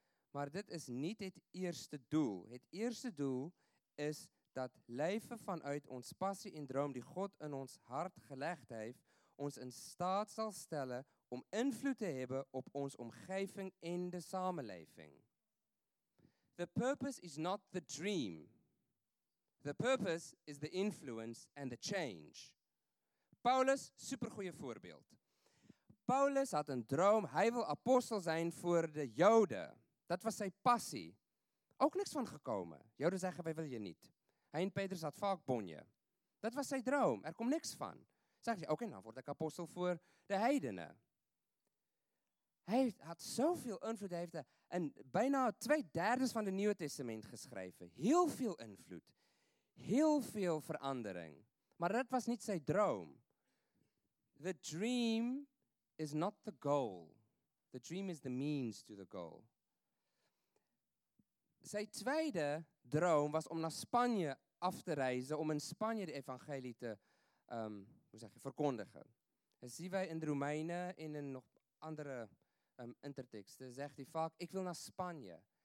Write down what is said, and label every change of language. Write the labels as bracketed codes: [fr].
[nl] Maar dit is niet het eerste doel. Het eerste doel is dat leven vanuit ons passie en droom die God in ons hart gelegd heeft, ons in staat zal stellen om invloed te hebben op onze omgeving en de samenleving. [en] The purpose is not the dream. The purpose is the influence and the change. [nl] Paulus, supergoeie voorbeeld. Paulus had een droom, hij wil apostel zijn voor de Joden. Dat was zijn passie. Ook niks van gekomen. Joden zeggen, wij willen je niet. Hij en Petrus had vaak bonje. Dat was zijn droom, er komt niks van. Zegt hij, oké, dan word ik apostel voor de heidenen. Hij had zoveel invloed, hij heeft en bijna 2/3 van het Nieuwe Testament geschreven. Heel veel invloed. Heel veel verandering. Maar dat was niet zijn droom. [en] The dream is not the goal. The dream is the means to the goal. [nl] Zijn tweede droom was om naar Spanje af te reizen, om in Spanje de evangelie te verkondigen. Dat zien wij in de Romeinen, in een nog andere interteksten, zegt hij vaak, ik wil naar Spanje.